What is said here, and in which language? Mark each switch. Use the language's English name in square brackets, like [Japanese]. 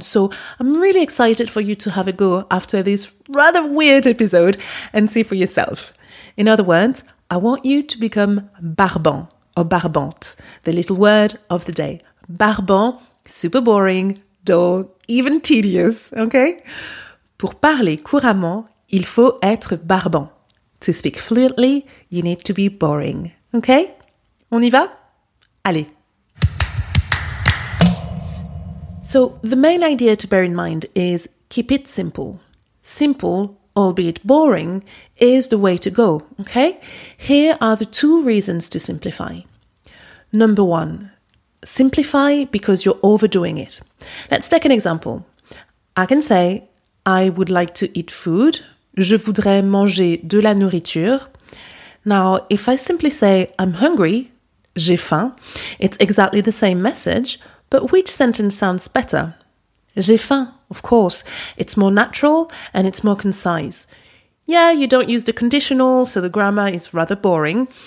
[English] So I'm really excited for you to have a go after this rather weird episode and see for yourself. In other words, I want you to become barbant or barbante, the little word of the day. Barbant, super boring, dull, even tedious, okay? [French] Pour parler couramment, il faut être barbant. [English] To speak fluently, you need to be boring, okay? [French] On y va? Allez! [English] So the main idea to bear in mind is keep it simple. Simple, albeit boring, is the way to go, okay? Here are the two reasons to simplify. Number one, simplify because you're overdoing it. Let's take an example. I can say, I would like to eat food. [French] Je voudrais manger de la nourriture. [English] Now, if I simply say, I'm hungry, [French] j'ai faim, [English] it's exactly the same message, but which sentence sounds better? [French] J'ai faim. [English] Of course, it's more natural and it's more concise. Yeah, you don't use the conditional, so the grammar is rather boring.